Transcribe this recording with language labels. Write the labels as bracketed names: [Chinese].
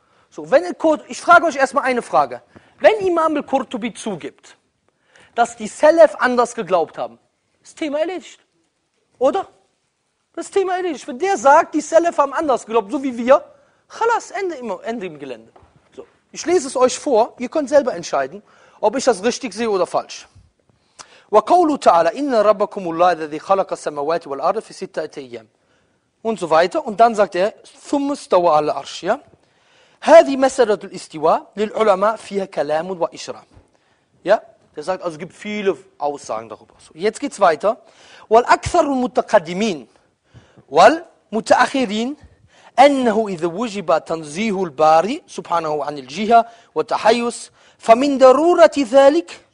[German] So, ich frage euch erstmal eine Frage. Wenn Imam al-Qurtubi zugibt, dass die Salaf anders geglaubt haben, ist Thema erledigt. Oder? Das Thema erledigt. Wenn der sagt, die Salaf haben anders geglaubt, so wie wir, khalas, Ende im Gelände. So, ich lese es euch vor, ihr könnt selber entscheiden, ob ich das richtig sehe oder falsch. [Arabic] وَقَوْلُ تَعَالَى إِنَّ رَبَّكُمُ اللَّهِ الَّذِي خَلَقَ السَّمَوَاتِ وَالْأَرْضِ فِي سِتَّةِ أَيَّامٍ [German] und so weiter. Und dann sagt er, [Arabic] ثُمَّ اسْتَوَى عَلَى الْعَرْشِ. هَذِي مَسَلَةُ الْإِسْتِوَى لِلْعُلَمَاءِ فِيهَا كَلَامٌ وَإِشْرَاءٌ. [German] Ja, der sagt, also es gibt viele Aussagen darüber. So, jetzt geht's weiter. [Arabic] وَالْأَكْثَرُ الْمُتَقَدِّمِينَ وَالْمُتَأَخِّرِينَ أَنَّهُ إِذَا وُجِبَ تَنْزِيهُ الْبَارِي سُبْحَانَهُ عَنِ الْجِهَةِ وَالتَّحَيُّزِ فَمِنْ دَرُورَةِ ذَلِكَ.